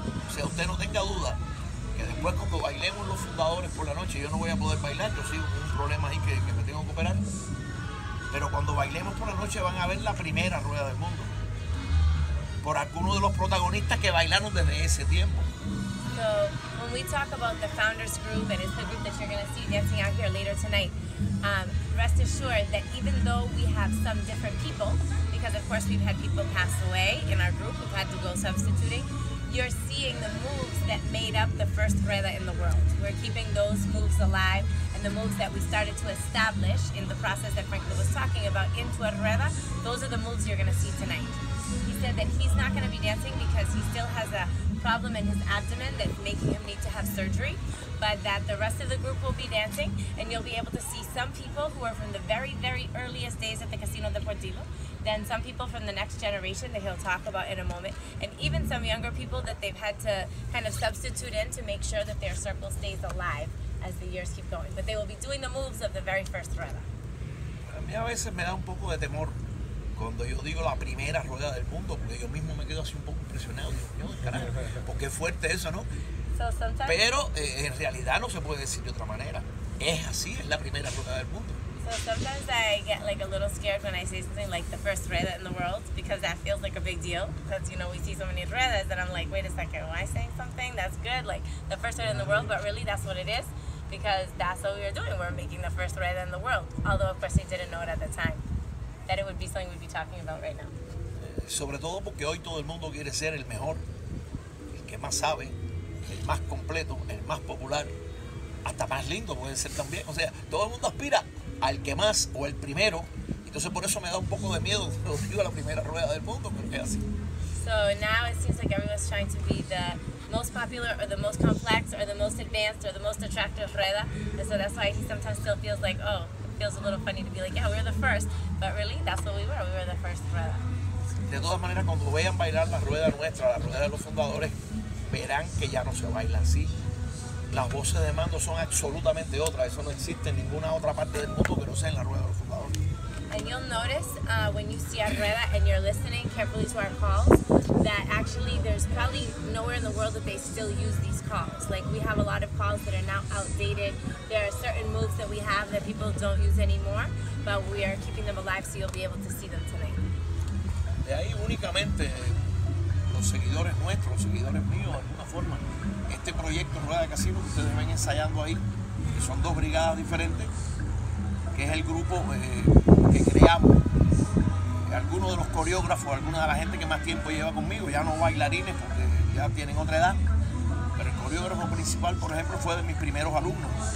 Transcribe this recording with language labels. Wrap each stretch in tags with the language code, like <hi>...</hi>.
<es>O sea, usted no tenga duda que después cuando bailemos los fundadores por la noche, yo no voy a poder bailar, yo sigo con un problema ahí que me tengo que operar. Pero cuando bailemos por la noche van a ver la primera rueda del mundo. Por algunos de los protagonistas que bailaron desde ese tiempo.</es> <en>So, when we talk about the founders group, and it's the group that you're going to see dancing out here later tonight, rest assured that even though we have some different people, because of course we've had people pass away in our group, we've had to go substituting, you're seeing the moves that made up the first rueda in the world. We're keeping those moves alive. The moves that we started to establish in the process that Franklin was talking about into a rueda, those are the moves you're going to see tonight. He said that he's not going to be dancing because he still has a problem in his abdomen that's making him need to have surgery, but that the rest of the group will be dancing, and you'll be able to see some people who are from the very, very earliest days at the Casino Deportivo, then some people from the next generation that he'll talk about in a moment, and even some younger people that they've had to kind of substitute in to make sure that their circle stays alive as the years keep going, but they will be doing the moves of the very first rueda.</en> <es>A mí a veces me da un poco de temor cuando yo digo la primera rueda del mundo, porque yo mismo me quedo así un poco impresionado. Digo, Dios, carajo, porque es fuerte eso, ¿no?</es> <en>So sometimes,</en> <es>pero en realidad no se puede decir de otra manera. Es así, es la primera rueda del mundo.</es> <en>So sometimes I get like a little scared when I say something like the first rueda in the world, because that feels like a big deal. Because, you know, we see so many ruedas that I'm like, wait a second, am I saying something? That's good, like the first rueda in the world, but really that's what it is. Because that's what we were doing. We were making the first rueda in the world. Although, of course, they didn't know it at the time. That it would be something we'd be talking about right now.</en> <es>Sobre todo porque hoy todo el mundo quiere ser el mejor, el que más sabe, el más completo, el más popular, hasta más lindo puede ser también. O sea, todo el mundo aspira al que más o el primero. Entonces, por eso me da un poco de miedo cuando digo la primera rueda del mundo, porque es así.</es> <en>So now it seems like everyone's trying to be the most popular or the most complex or the most advanced or the most attractive rueda. And so that's why he sometimes still feels like, oh, it feels a little funny to be like, yeah, we're the first. But really, that's what we were the first rueda.</en> <es>De todas maneras, cuando vean bailar la rueda nuestra, la rueda de los fundadores, verán que ya no se baila así. Las voces de mando son absolutamente otras. Eso no existe en ninguna otra parte del mundo que no sea en la rueda de los fundadores.</es> <en>And you'll notice when you see our rueda and you're listening carefully to our calls, that actually there's probably nowhere in the world that they still use these calls. Like, we have a lot of calls that are now outdated. There are certain moves that we have that people don't use anymore, but we are keeping them alive so you'll be able to see them tonight.</en> <es>De ahí únicamente los seguidores nuestros, los seguidores míos, de alguna forma, este proyecto Rueda de Casino que ustedes ven ensayando ahí, que son dos brigadas diferentes, que es el grupo que creamos. Algunos de los coreógrafos, alguna de la gente que más tiempo lleva conmigo, ya no bailarines porque ya tienen otra edad, pero el coreógrafo principal, por ejemplo, fue de mis primeros alumnos.</es>